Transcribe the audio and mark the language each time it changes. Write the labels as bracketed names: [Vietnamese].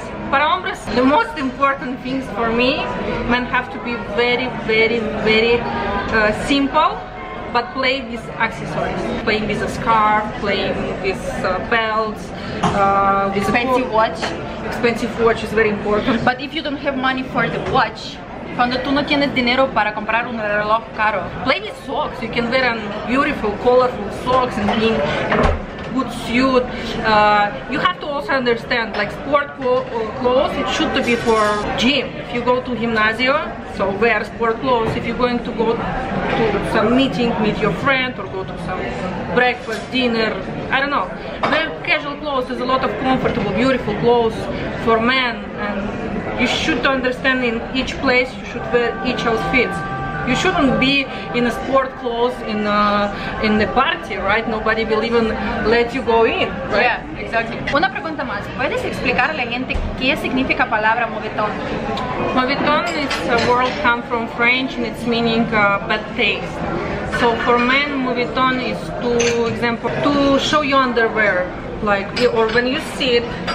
[Spanish] Para hombres, [English] the most important things for me, men have to be very, very, very simple, but play with accessories. Playing with a scarf, playing with belts, with expensive watch. Expensive watch is very important. But if you don't have money for the watch, [Spanish] cuando tú no tienes dinero para comprar un reloj caro. [English] Play with socks. You can wear beautiful, colorful socks and jeans. Good suit. You have to also understand, like sport clothes, it should be for gym. If you go to [Spanish] gymnasio, [English] so wear sport clothes. If you're going to go to some meeting, meet your friend, or go to some breakfast, dinner, I don't know. Wear casual clothes. There's a lot of comfortable, beautiful clothes for men, and you should understand in each place you should wear each outfit. You shouldn't be in a sport clothes in the party, right? Nobody will even let you go in, right? Yeah, exactly. [Spanish] Una pregunta más. ¿Puedes explicar a la gente qué significa palabra moveton? [English] Moveton is a word come from French and it's meaning bad taste. So for men, moveton is to show your underwear, like, or when you see